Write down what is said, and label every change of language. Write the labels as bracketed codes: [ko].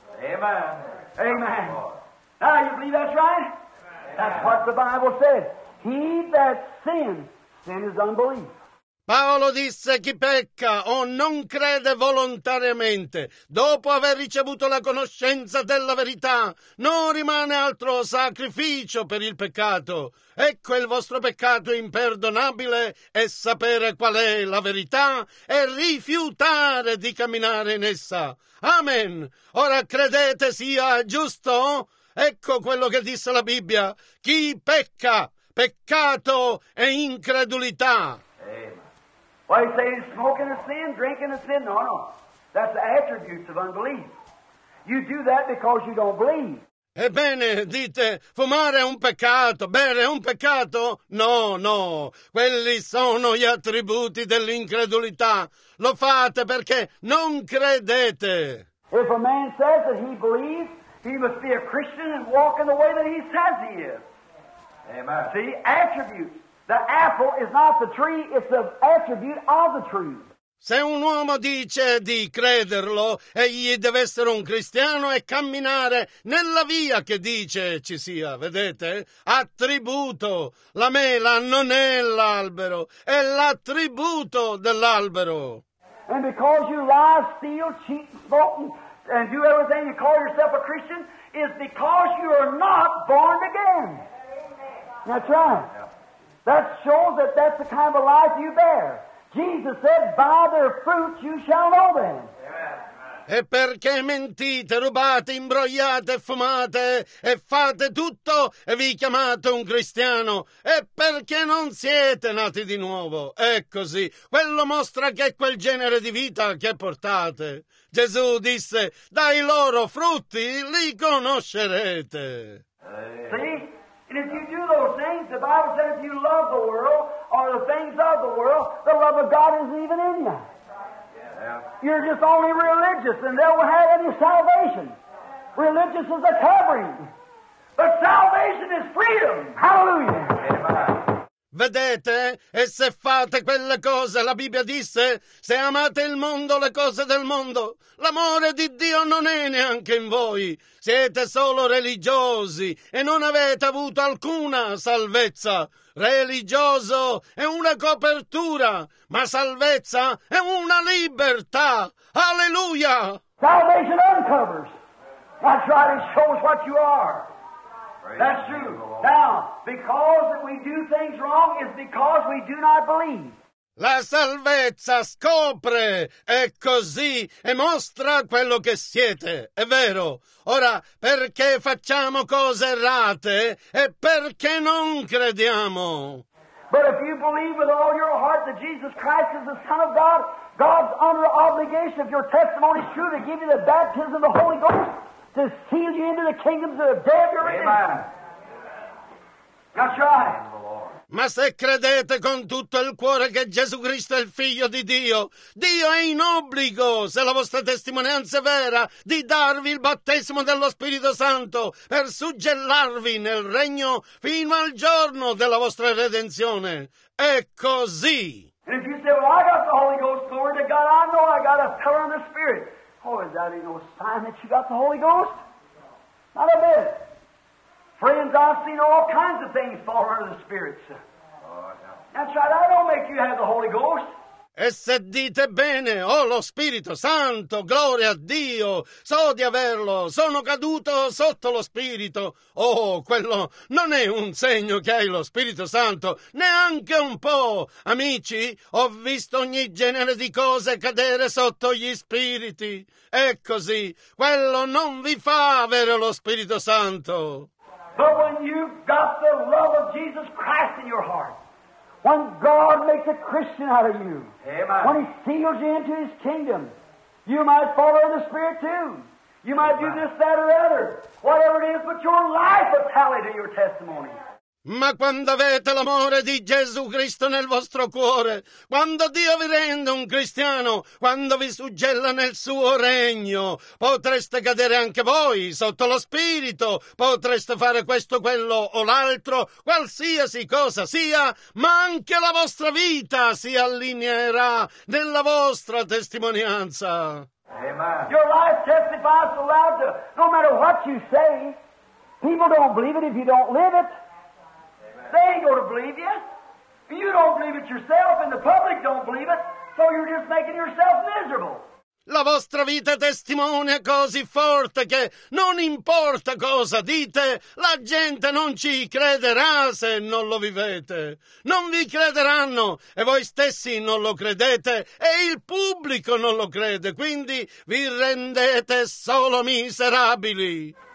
[en] Amen. Amen. Now, you believe that's right? Amen. That's what the Bible says. He that sins, sin is unbelief. [it] Paolo disse, chi pecca o non crede volontariamente, dopo aver ricevuto la conoscenza della verità, non rimane altro sacrificio per il peccato. Ecco il vostro peccato imperdonabile, è sapere qual è la verità e rifiutare di camminare in essa. Amen. Ora credete sia giusto? Ecco quello che disse la Bibbia. Chi pecca, peccato e incredulità. [en] Why he say smoking a sin, drinking a sin? No, no. That's the attributes of unbelief. You do that because you don't believe. [it] Ebbene, dite, fumare è un peccato, bere è un peccato? No, no, quelli sono gli attributi dell'incredulità. Lo fate perché non credete. [en] If a man says that he believes, he must be a Christian and walk in the way that he says he is. Amen. See, attributes. The apple is not the tree, it's the attribute of the tree. [it] Se un uomo dice di crederlo, egli deve essere un cristiano e camminare nella via che dice ci sia, vedete? Attributo. La mela non è l'albero, è l'attributo dell'albero. [en] And because you lie, steal, cheat, smoke, and do everything you call yourself a Christian, is because you are not born again. That's right. That shows that that's the kind of life you bear. Jesus said, by their fruits you shall know them. Amen. [it] E perché mentite, rubate, imbrogliate, fumate e fate tutto e vi chiamate un cristiano? E perché non siete nati di nuovo? È così. Quello mostra che è quel genere di vita che portate. Gesù disse, dai loro frutti li conoscerete. Sì. [en] And if you do those things, the Bible says if you love the world or the things of the world, the love of God isn't even in you. Yeah. You're just only religious and they won't have any salvation. Religious is a covering. But salvation is freedom. Hallelujah. Amen. [it] Vedete? E se fate quelle cose, la Bibbia disse, se amate il mondo, le cose del mondo, l'amore di Dio non è neanche in voi. Siete solo religiosi e non avete avuto alcuna salvezza. Religioso è una copertura, ma salvezza è una libertà. Alleluia! [en] Salvation uncovers. That's right, it shows what you are. That's true. Now, because we do things wrong is because we do not believe. [it] La salvezza scopre, è così, e mostra quello che siete, è vero. Ora, perché facciamo cose errate e perché non crediamo? [en] But if you believe with all your heart that Jesus Christ is the Son of God, God's under obligation if your testimony is true to give you the baptism of the Holy Ghost. To seal you into the kingdoms of the dead you're in. Amen. That's right. The Lord. [it] Ma se credete con tutto il cuore che Gesù Cristo è il figlio di Dio, Dio è in obbligo, se la vostra testimonianza è vera, di darvi il battesimo dello Spirito Santo per suggellarvi nel regno fino al giorno della vostra redenzione. È così. [en] And if you say, well, I got the Holy Ghost, glory to God, I know I got a teller in the Spirit. Oh, is that no sign that you got the Holy Ghost? Not a bit. Friends, I've seen all kinds of things fall under the Spirit, sir. That's right, I don't make you have the Holy Ghost. [it] E se dite bene, ho lo Spirito Santo, gloria a Dio, so di averlo, sono caduto sotto lo Spirito. Oh, quello non è un segno che hai lo Spirito Santo, neanche un po'. Amici, ho visto ogni genere di cose cadere sotto gli spiriti. È così, quello non vi fa avere lo Spirito Santo. [en] But when you've got the love of Jesus Christ in your heart, when God makes a Christian out of you, amen, when He seals you into His kingdom, you might follow in the Spirit too. You might do this, that, or other. Whatever it is, but your life will tally to your testimony. [it] Ma quando avete l'amore di Gesù Cristo nel vostro cuore, quando Dio vi rende un cristiano, quando vi suggella nel suo regno, potreste cadere anche voi sotto lo Spirito, potreste fare questo, quello o l'altro, qualsiasi cosa sia, ma anche la vostra vita si allineerà nella vostra testimonianza. [en] Amen. Your life testifies aloud to, no matter what you say, people don't believe it if you don't live it. They ain't going to believe you. You don't believe it yourself, and the public don't believe it, so you're just making yourself miserable. [it] La vostra vita testimonia così forte che non importa cosa dite, la gente non ci crederà se non lo vivete. Non vi crederanno e voi stessi non lo credete e il pubblico non lo crede, quindi vi rendete solo miserabili.